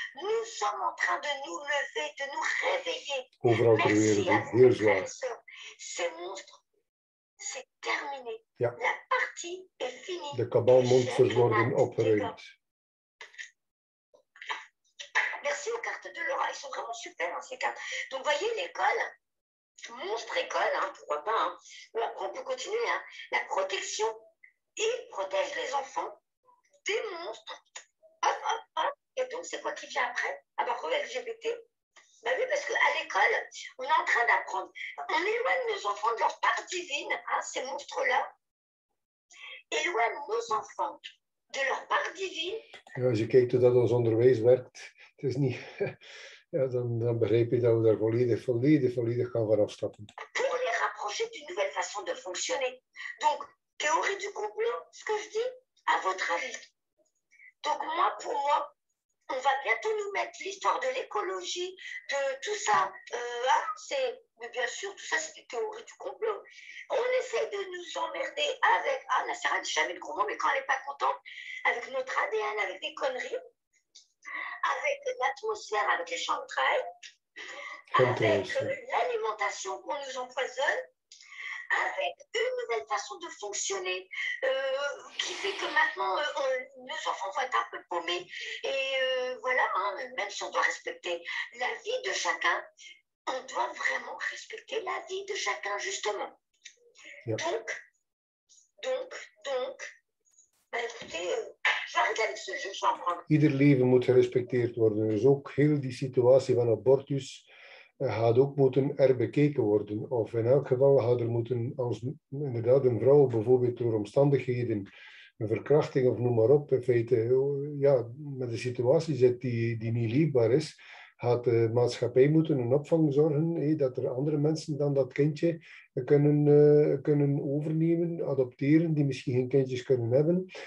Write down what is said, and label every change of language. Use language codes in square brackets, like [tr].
[fr] Nous sommes en train de nous lever, de nous réveiller. Merci à vous, frères et sœurs. Ces monstres, c'est terminé. Yeah. La partie est finie. [nl] De cabal monstres worden opgeruimd. [fr] Merci aux cartes de Laura, ils sont vraiment super, hein, ces cartes. Donc, voyez l'école. Monstre école, hein, pourquoi pas. Hein. Après, on peut continuer. Hein. La protection. Il protège les enfants des monstres. Hop, hop, hop. Et donc, c'est quoi qui vient après? Ah bah, LGBT. Bah oui, parce qu'à l'école, on est en train d'apprendre. On éloigne nos enfants de leur part divine, hein, ces monstres-là. Éloigne nos enfants de leur part divine. [nl] Je kijk tout dat ons onderwijs werkt. Het is niet... Ja, dan begrijp je dat we daar volledig gaan van afstappen. [fr] Pour les rapprocher d'une nouvelle façon de fonctionner. Donc, théorie du complot, ce que je dis, à votre avis. Donc, moi, pour moi, on va bientôt nous mettre l'histoire de l'écologie, de tout ça. Hein, c'est, mais bien sûr, tout ça, c'est des théories du complot. On essaie de nous emmerder avec, ah, la Sarah dit jamais le gros mot, mais quand elle n'est pas contente, avec notre ADN, avec des conneries. Avec l'atmosphère, avec les chanterelles, avec l'alimentation qu'on nous empoisonne, avec une nouvelle façon de fonctionner qui fait que maintenant nos enfants vont être un peu paumés. Et voilà, hein, même si on doit respecter la vie de chacun, on doit vraiment respecter la vie de chacun, justement. Yeah. Donc, bah écoutez, j'arrête avec ce jeu, j'en prends. [nl] Ieder leven moet gerespecteerd worden. Dus ook heel die situatie van abortus had ook moeten er bekeken worden. Of in elk geval had er moeten, als inderdaad een vrouw bijvoorbeeld door omstandigheden, een verkrachting of noem maar op, in feite, ja, met een situatie zit die niet leefbaar is, had de maatschappij moeten een opvang zorgen, hé, dat er andere mensen dan dat kindje kunnen overnemen, adopteren, die misschien geen kindjes kunnen hebben.